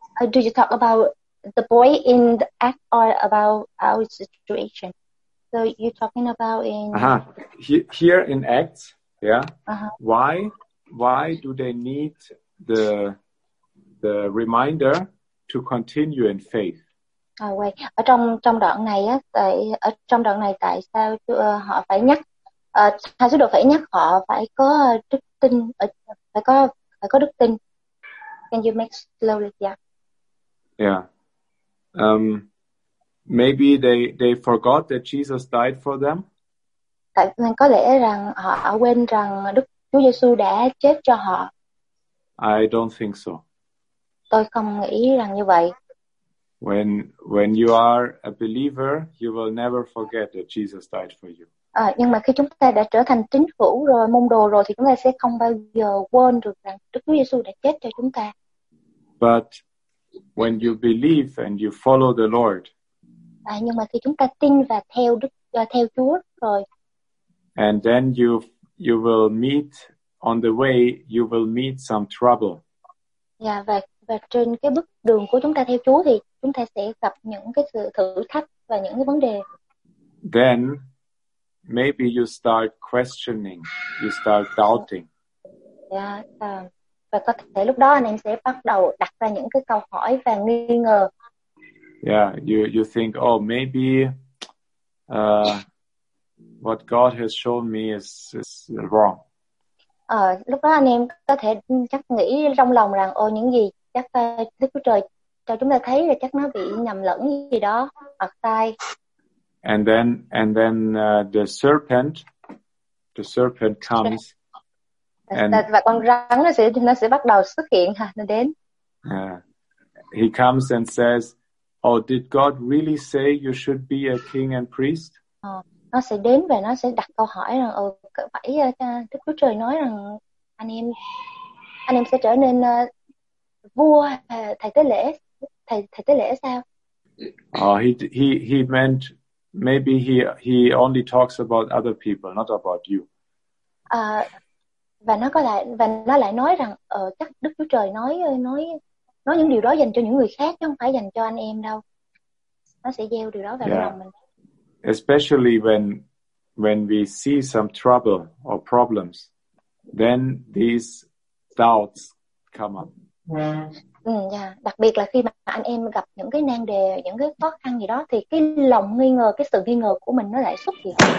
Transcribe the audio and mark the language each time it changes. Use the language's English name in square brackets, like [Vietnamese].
[English] Do you talk about the boy in the act or about our situation? So you're talking about in... Here in Acts, yeah. Why do they need the reminder to continue in faith? [Vietnamese] Ở trong trong đoạn này á, tại ở trong đoạn này tại sao họ phải nhắc hai sứ đồ phải nhắc họ phải có đức tin phải có đức tin. [English] Can you make slowly? Yeah. Yeah. Maybe they forgot that Jesus died for them. [Vietnamese] Tại có lẽ rằng họ quên rằng Đức Chúa Giêsu đã chết cho họ. [English] I don't think so. [Vietnamese] Tôi không nghĩ rằng như vậy. [English] When you are a believer, you will never forget that Jesus died for you. [Vietnamese] Nhưng mà khi chúng ta đã trở thành tín hữu rồi, môn đồ rồi, thì chúng ta sẽ không bao giờ quên được rằng Đức Chúa Giêsu đã chết cho chúng ta. [English] But when you believe and you follow the Lord. [Vietnamese] Nhưng mà khi chúng ta tin và theo Đức theo Chúa rồi. [English] And then you will meet on the way, you will meet some trouble. [Vietnamese] Yeah, và trên cái bước đường của chúng ta theo Chúa thì chúng ta sẽ gặp những cái sự thử thách và những cái vấn đề. [English] Then maybe you start questioning, you start doubting. [Vietnamese] Yeah, và có thể lúc đó anh em sẽ bắt đầu đặt ra những cái câu hỏi và nghi ngờ. [English] Yeah, you think, oh, maybe what God has shown me is wrong. [Vietnamese] Lúc đó anh em có thể chắc nghĩ trong lòng rằng, ô, những gì chắc Đức Chúa Trời cho chúng ta thấy là chắc nó bị nhầm lẫn gì đó hoặc sai. [English] And then the serpent comes. [Vietnamese] And và con rắn nó sẽ bắt đầu xuất hiện ha, nó đến. [English] He comes and says, oh, did God really say you should be a king and priest? [Vietnamese] Nó sẽ đến và nó sẽ đặt câu hỏi rằng, phải Đức Chúa Trời nói rằng anh em sẽ trở nên vua thầy tế lễ sao? [English] He meant maybe he only talks about other people, not about you. [Vietnamese] Và nó lại nói rằng chắc Đức Chúa Trời nói những điều đó dành cho những người khác chứ không phải dành cho anh em đâu. Nó sẽ gieo điều đó vào lòng mình. [English] Especially when we see some trouble or problems, then these doubts come up. [Vietnamese] Đặc biệt là khi mà anh em gặp những cái nan đề, những cái khó khăn gì đó thì cái lòng nghi ngờ, cái sự nghi ngờ của mình nó lại xuất hiện.